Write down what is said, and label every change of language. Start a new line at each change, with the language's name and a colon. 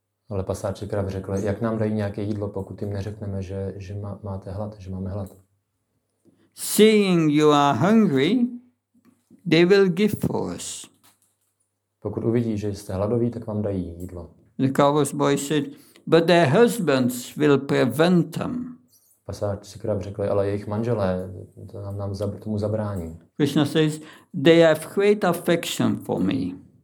Czech: Ale pasáči krav řekli, jak nám dají nějaké jídlo, pokud jim neřekneme, že máte hlad, že máme hlad.
English: Seeing you are hungry, they will give for us.
Czech: Pokud uvidí, že jste hladoví, tak vám dají jídlo.
English: The cowboy boy said, but their husbands will prevent them.
Czech: Pasáči krav řekli, ale jejich manželé to nám tomu zabrání.
English: Krishna says, they have great affection for me.